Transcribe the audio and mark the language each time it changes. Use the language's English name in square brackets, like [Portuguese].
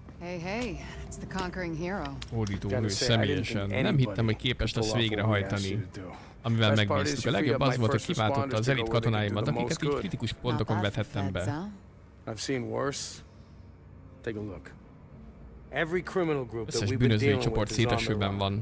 [English] Hey, hey, it's the conquering hero. [Hungarian] Ódító ő személyesen. Nem hittem, hogy képes lesz végrehajtani, amivel megbíztuk. A legjobb az volt, hogy kiváltotta az elit katonáimat, akiket így kritikus pontokon vethettem be. [English] I've seen worse. Take a look. Every criminal group that we've been dealing with is on the run.